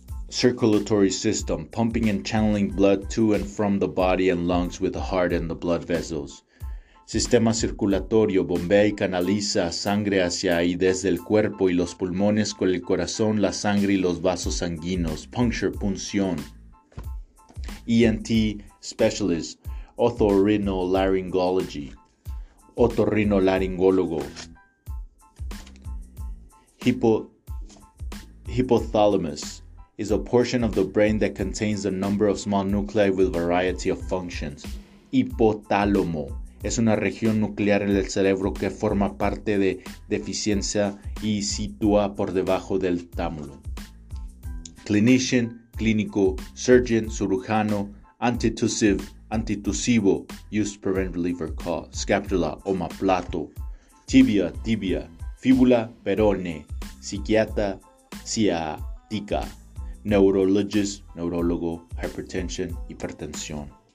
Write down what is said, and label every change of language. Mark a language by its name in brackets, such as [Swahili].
[English] Circulatory system, pumping and channeling blood to and from the body and lungs with the heart and the blood vessels. [Spanish] Sistema circulatorio, bombea y canaliza sangre hacia y desde el cuerpo y los pulmones con el corazón, la sangre y los vasos sanguíneos. [English] Puncture, punción. ENT specialist, otorrinolaryngology, otorrinolaryngólogo. Hypothalamus is a portion of the brain that contains a number of small nuclei with variety of functions. [Spanish] Hipotálamo es una región nuclear en el cerebro que forma parte de deficiencia y sitúa por debajo del tálamo. Clinician, clínico, surgeon, cirujano, antitusivo, [English] used preventively for cause, [Spanish] scapula, omoplato, tibia, tibia, fíbula, perone, psiquiatra, ciática, neurologist, neurólogo, hypertension, hipertensión.